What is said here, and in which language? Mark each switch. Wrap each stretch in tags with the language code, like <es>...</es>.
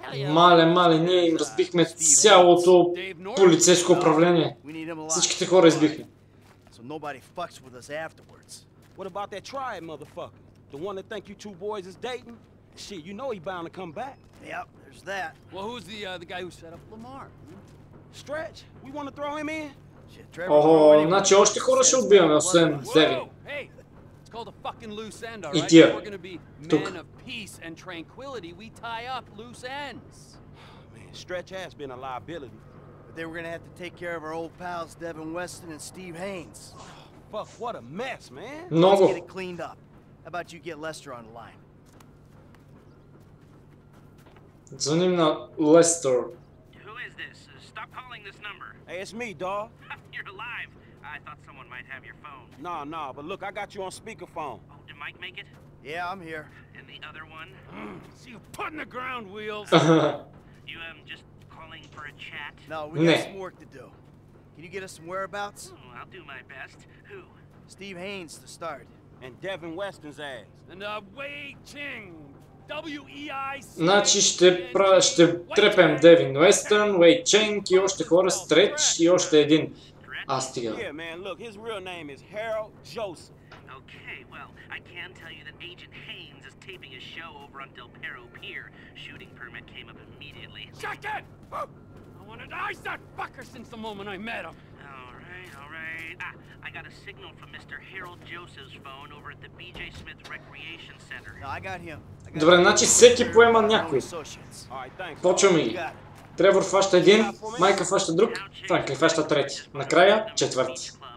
<bg>Мале, мале, ние им разбихме цялото полицейско управление. Всичките хора избихме.</bg> <en>So nobody fucks with us afterwards. What about that triad, motherfucker? The one that think you two boys is dating? Shit, you know he bound to come back. Yep, there's that. Well, who's the guy who set up Lamar? Stretch? We want to throw him in? Shit, Trevor.</en> <bg>Oh, значи още хора ще убиваме, освен Деви.</bg> <en>Hey, it's called a fucking loose end, all right? We're gonna be men of peace and tranquility. We tie up loose ends. Man, Stretch has been a liability. But they were gonna have to take care of our old pals, Devin Weston and Steve Haynes. Fuck, what a mess, man. No. Let's get it cleaned up. How about you get Lester on the line?</en> <bg>Zunim na Lester.</bg> <en>Who is this? Stop calling this number. Hey, it's me, dawg. You're alive. I thought someone might have your phone. Nah, nah, but look, I got you on speakerphone. Oh, did Mike make it? Yeah, I'm here. And the other one? See, you're putting the ground wheels. You, just calling for a chat? No, we got some work to do. Can you get us some whereabouts? Oh, I'll do my best. Who? Steve Haynes to start. And Devin Weston's ass. And Wei Ching. W-E-I-C.</en> <bg>Значи ще трепем Devin Weston, Wei Ching и още хора, Stretch и още един. А, стига.</bg> <en>Yeah, man, look, his real name is Harold Joseph. Okay, well, I can tell you that Agent Haynes is taping a show over on Del Perro Pier. Shooting permit came up immediately. Check it! I wanted to ice that fucker since the moment I met him. All right. I got a signal from Mr. Harold Joseph's phone over at the BJ Smith Recreation Center. No, I got him.</en> <bg>Добре, значи всеки поема някой. Почваме ги. Тревор фаща един, Майка фаща друг, Франклин фаща трети. Накрая четвърти.</bg>